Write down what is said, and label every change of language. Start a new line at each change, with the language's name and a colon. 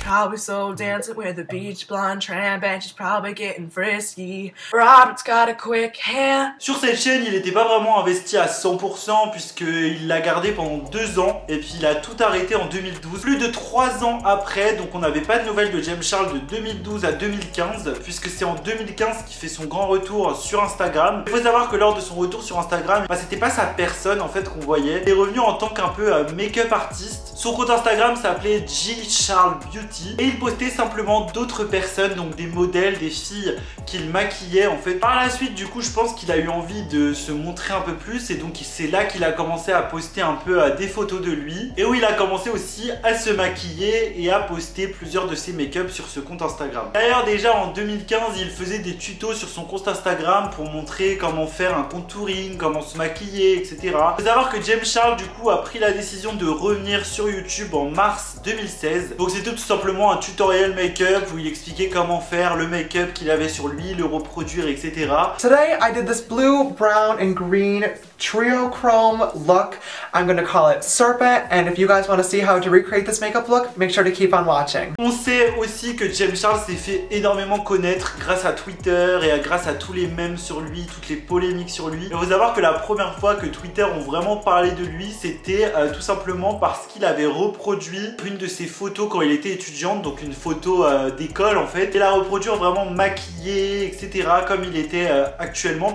English: Probably so dancing with a beach blonde tramp and she's probably getting frisky. Robert's got a quick hand.
French: Sur cette chaîne, il n'était pas vraiment investi à 100% puisqu'il l'a gardé pendant 2 ans et puis il a tout arrêté en 2012. Plus de 3 ans après, donc on n'avait pas de nouvelles de James Charles de 2012 à 2015 puisque c'est en 2015 qu'il fait son grand retour sur Instagram. Il faut savoir que lors de son retour sur Instagram, bah, c'était pas sa personne en fait qu'on voyait. Il est revenu en tant qu'un peu make-up artiste. Son compte Instagram s'appelait G Charles Beauty et il postait simplement d'autres personnes, donc des modèles, des filles qu'il maquillait en fait. Par la suite, du coup, je pense qu'il a eu envie de se montrer un peu plus et donc c'est là qu'il a commencé à poster un peu des photos de lui et où il a commencé aussi à se maquiller et à poster plusieurs de ses make-up sur ce compte Instagram. D'ailleurs, déjà en 2015, il faisait des tutos sur son compte Instagram pour montrer comment faire un contouring, comment se maquiller, etc. Il faut savoir que James Charles, du coup, a pris la décision de revenir sur YouTube en mars 2016. Donc c'était tout simplement un tutoriel make-up où il expliquait comment faire le make-up qu'il avait sur lui, le reproduire, etc.
English: Today, I did this blue, brown and green triochrome look. I'm gonna call it Serpent. And if you guys want to see how to recreate this make-up look, make sure to keep on watching.
French: On sait aussi que James Charles s'est fait énormément connaître grâce à Twitter et grâce à tous les mèmes sur lui, toutes les polémiques sur lui. Il faut savoir que la première fois que Twitter ont vraiment parlé de lui, c'était tout simplement parce qu'il avait reproduit une de ses photos quand il était étudiante, donc une photo d'école en fait, et la reproduire vraiment maquillée, etc., comme il était actuellement.